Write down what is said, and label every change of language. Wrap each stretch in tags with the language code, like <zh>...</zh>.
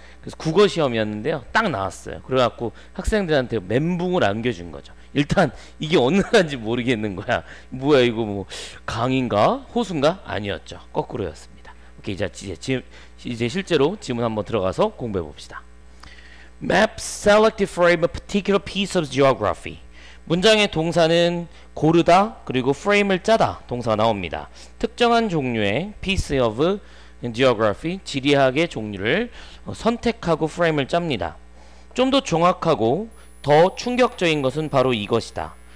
<ko>그래서 국어 시험이었는데요. 딱 나왔어요. 그래갖고 학생들한테 멘붕을 안겨준 거죠. 일단 이게 어느 나라인지 모르겠는 거야. 뭐야 이거, 뭐 강인가 호수인가? 아니었죠. 거꾸로였습니다. 오케이, 이제 실제로 지문 한번 들어가서 공부해 봅시다.</ko> <en>Map selected from a particular piece of geography.</en> <ko>문장의 동사는 고르다, 그리고 프레임을 짜다, 동사가 나옵니다. 특정한 종류의</ko> <en>piece of geography,</en> <ko>지리학의 종류를 선택하고 프레임을 짭니다. 좀 더 정확하고 더 충격적인 것은 바로 이것이다.</ko>